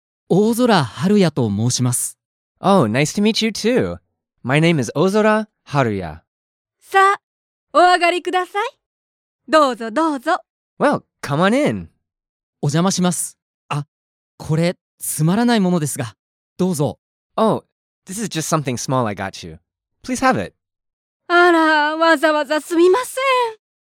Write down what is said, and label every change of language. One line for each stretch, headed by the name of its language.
Japanese: 大空春也と申します。
English: Oh, nice to meet you too. My name is 大空春也。
Japanese: さあ、お上がりください。どうぞどうぞ。
English: Well, come on in.
Japanese: お邪魔します。あ、これ、つまらないものですが、どうぞ。
English: Oh, this is just something small I got you. Please have it.
Japanese: あら、わざわざすみません。